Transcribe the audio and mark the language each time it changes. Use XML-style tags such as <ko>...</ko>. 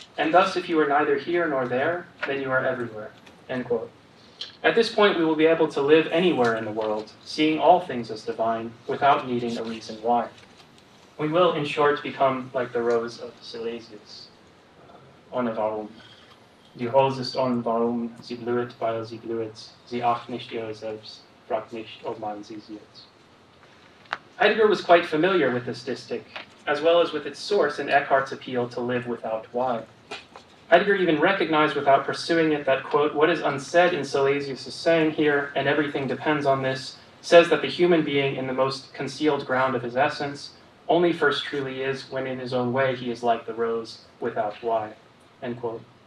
<en>And thus, if you are neither here nor there, then you are everywhere. End quote. At this point, we will be able to live anywhere in the world, seeing all things as divine, without needing a reason why. We will, in short, become like the rose of Silesius.</en> <de>Ohne warum. Die Rose ist ohne warum, sie blüht, weil sie blüht. Sie acht nicht ihre selbst, fragt nicht, ob man sie sieht.</de> <en>Heidegger was quite familiar with this distich, as well as with its source in Eckhart's appeal to live without why. Heidegger even recognized without pursuing it that, quote, what is unsaid in Silesius' saying here, and everything depends on this, says that the human being in the most concealed ground of his essence only first truly is when in his own way he is like the rose without why, end quote.</en>